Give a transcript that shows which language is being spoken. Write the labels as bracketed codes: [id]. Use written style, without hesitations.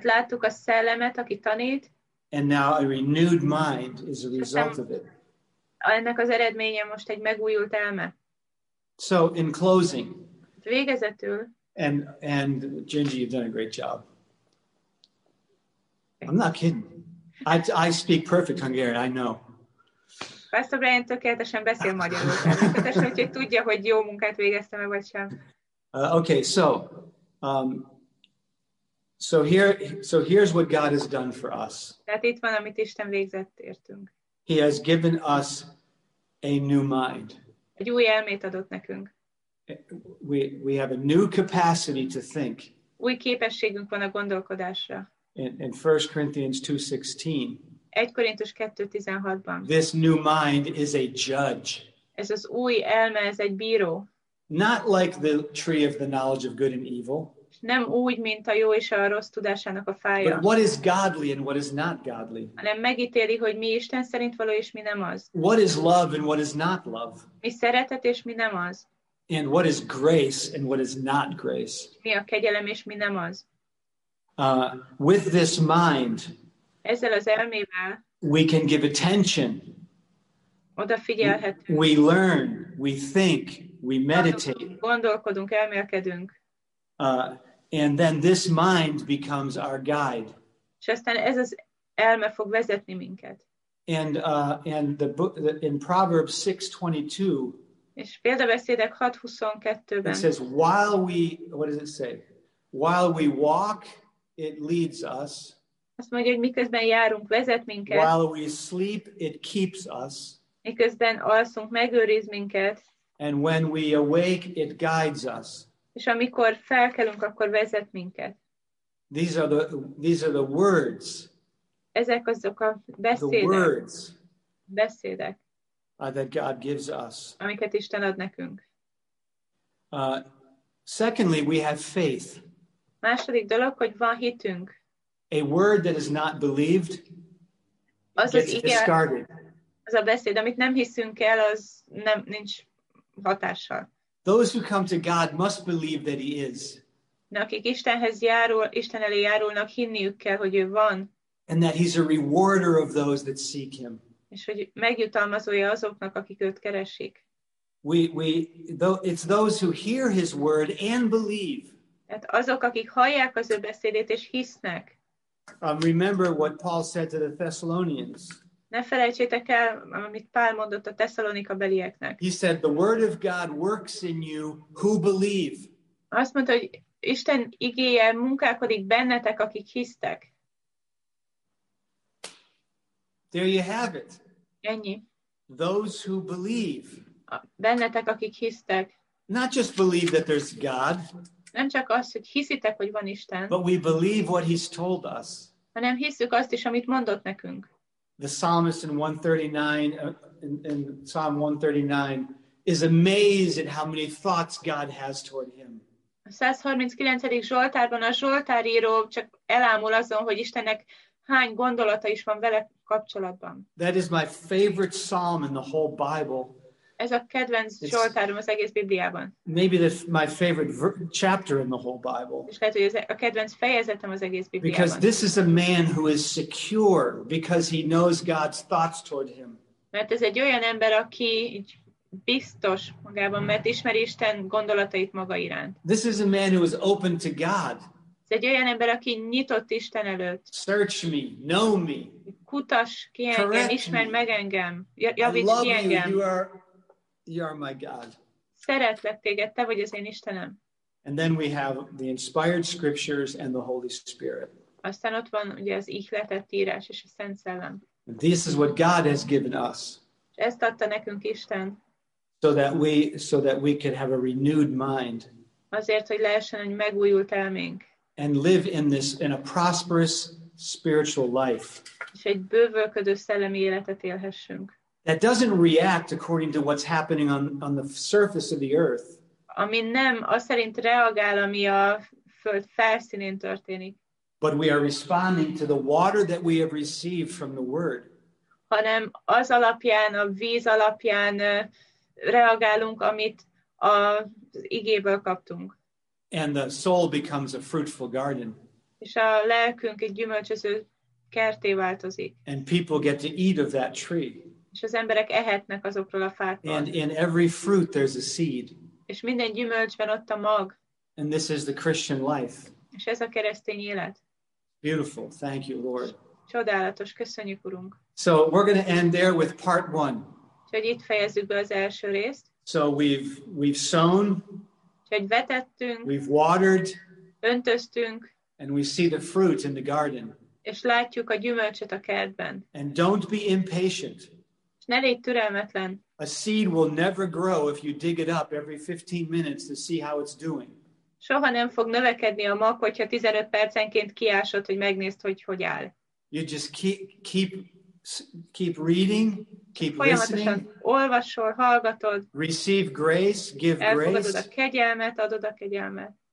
[hu] Tehát láttuk a szellemet, aki tanít. [en] And now a renewed mind is a result of it. [hu] Ennek az eredménye most egy megújult elme. [en] So in closing. [hu] Végezetül. [en] And Gingy, you've done a great job. I'm not kidding. I speak perfect Hungarian, I know. [hu] Pastor Brian tökéletesen beszél magyarul. Tökéletesen, úgyhogy tudja, hogy jó munkát végeztem-e vagy sem. [en] Okay, so here's what God has done for us. [hu] Tehát itt van, amit Isten végzett értünk. [en] He has given us a new mind. [hu] Egy új elmét adott nekünk. [en] We have a new capacity to think. [hu] Új képességünk van a gondolkodásra. [en] In 1 Corinthians 2:16. [hu] 1 Korintus 2:16-ban. [en] This new mind is a judge. [hu] Ez az új elme, ez egy bíró. [en] Not like the tree of the knowledge of good and evil. [hu] Nem úgy, mint a jó és a rossz tudásának a fája. [en] But what is godly and what is not godly? [hu] Hanem megítéli, hogy mi Isten szerint való és mi nem az. [en] What is love and what is not love? [hu] Mi szeretet és mi nem az. [en] And what is grace and what is not grace? [hu] Mi a kegyelem és mi nem az. [en] With this mind, [hu] ezzel az elmével, [en] we can give attention. [hu] Odafigyelhetünk. [en] We learn, we think, we meditate. [hu] Gondolkodunk, elmélkedünk. [en] And then this mind becomes our guide. [hu] És aztán ez az elme fog vezetni minket. [en] And the book in Proverbs 6:22. [hu] És Példabeszédek 6:22-ben. [en] It says, while we, what does it say? While we walk, it leads us. [hu] Azt mondja, hogy miközben járunk, vezet minket. [en] While we sleep, it keeps us. [hu] Miközben alszunk, megőriz minket. [en] And when we awake, it guides us. [hu] És amikor felkelünk, akkor vezet minket. [en] These are the words. [hu] Ezek azok a beszédek. [en] The words. [hu] Beszédek. [en] That God gives us. [hu] Amiket Isten ad nekünk. [en] Secondly, we have faith. [hu] Második dolog, hogy van hitünk. [en] A word that is not believed gets discarded. [hu] Az a beszéd, amit nem hiszünk el, az nem nincs hatással. [en] Those who come to God must believe that He is. [hu] Akik Istenhez járul, Isten elé járulnak, hinniük kell, hogy ő van. [en] And that He's a rewarder of those that seek Him. [hu] És hogy megjutalmazója azoknak, akik őt keresik. [en] It's those who hear His word and believe. [hu] Tehát azok, akik hallják az ő beszédét és hisznek. [en] Remember what Paul said to the Thessalonians. [hu] Ne felejtsétek el, amit Pál mondott a Tesszalonika belieknek. [en] He said, the word of God works in you who believe. [hu] Azt mondta, hogy Isten igéje munkálkodik bennetek, akik hisztek. [en] There you have it. [hu] Ennyi. [en] Those who believe. [hu] Bennetek, akik hisztek. [en] Not just believe that there's God. [hu] Nem csak azt, hogy hiszitek, hogy van Isten. [en] But we believe what He's told us. [hu] Hanem hiszük azt is, amit mondott nekünk. [en] The psalmist in 139, in Psalm 139, is amazed at how many thoughts God has toward him. [hu] A 139. Zsoltárban a Zsoltáríró csak elámul azon, hogy Istennek hány gondolata is van vele kapcsolatban. [en] That is my favorite psalm in the whole Bible. [hu] Ez a kedvenc zsoltárom az egész Bibliában. [en] Maybe this my favorite chapter in the whole Bible. [hu] És lehet, hogy ez a kedvenc fejezetem az egész Bibliában. [en] Because this is a man who is secure because he knows God's thoughts toward him. [hu] Mert ez egy olyan ember, aki biztos magában, mert ismeri Isten gondolatait maga iránt. [en] This is a man who is open to God. [hu] Ez egy olyan ember, aki nyitott Isten előtt. [en] Search me, know me. [hu] Kutass ki engem, ismerj meg engem. Javíts ki engem. [en] You are my God. [hu] Szeretlek téged, te vagy az én Istenem. [en] And then we have the inspired scriptures and the Holy Spirit. [hu] Aztán ott van ugye az ihletett írás és a Szent Szellem. [en] This is what God has given us. [hu] Ezt adta nekünk Isten. [en] So that we could have a renewed mind. [hu] Azért, hogy lehessen egy megújult elménk. [en] And live in a prosperous spiritual life. [hu] És egy bővölködő szellemi életet élhessünk. [en] That doesn't react according to what's happening on the surface of the earth. [hu] Ami nem az szerint reagál, ami a föld felszínén történik. [en] But we are responding to the water that we have received from the word. [hu] Hanem az alapján, a víz alapján reagálunk, amit az igéből kaptunk. [en] And the soul becomes a fruitful garden. [hu] és a lelkünk egy gyümölcsöző kerté változik. [en] And people get to eat of that tree. [hu] És az emberek ehetnek azokról a fákról. [en] And in every fruit there's a seed. [hu] És minden gyümölcsben ott a mag. [en] And this is the Christian life. [hu] És ez a keresztény élet. [en] Beautiful. Thank you, Lord. [hu] Csodálatos. Köszönjük, Urunk. [en] So we're going to end there with part one. [hu] Úgyhogy itt fejezzük be az első részt. [en] So we've sown. [hu] Úgyhogy vetettünk. [en] We've watered. [hu] Öntöztünk. [en] And we see the fruit in the garden. [hu] És látjuk a gyümölcsöt a kertben. [en] And don't be impatient. [hu] És ne légy türelmetlen. [en] A seed will never grow if you dig it up every 15 minutes to see how it's doing. [hu] Soha nem fog növekedni a mag, hogyha 15 percenként kiásod, hogy megnézd, hogy áll. [en] You just keep reading, keep listening. [hu] Olvasol, hallgatod. [en] Receive grace, give grace. [hu] Elfogadod a kegyelmet, adod a kegyelmet.